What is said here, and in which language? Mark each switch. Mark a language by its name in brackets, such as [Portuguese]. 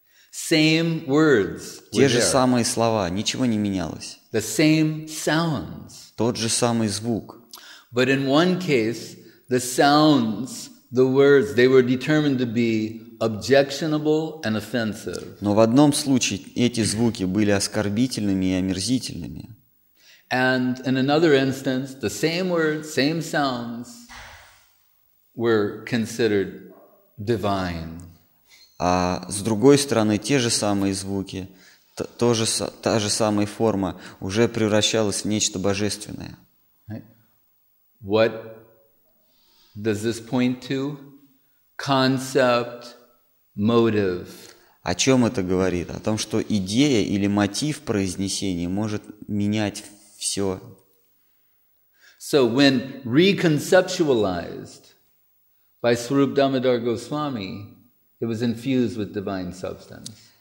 [English] Same words. [Russian] Те же самые слова, ничего не менялось. [English] The same sounds. [Russian] Тот же самый звук. [English] But in one case, the sounds, the words, they were determined to be objectionable and offensive. [Russian] Но в одном случае эти звуки были оскорбительными и омерзительными. [English] And in another instance, the same words, same sounds were considered divine. [Russian] А с другой стороны, те же самые звуки, та же самая форма уже превращалась в нечто божественное. [English] What does this point to? Concept, motive. [Russian] О чем это говорит? О том, что идея или мотив произнесения может менять все. [English] So when reconceptualized by Swarup Damodar Goswami, it was infused with divine substance.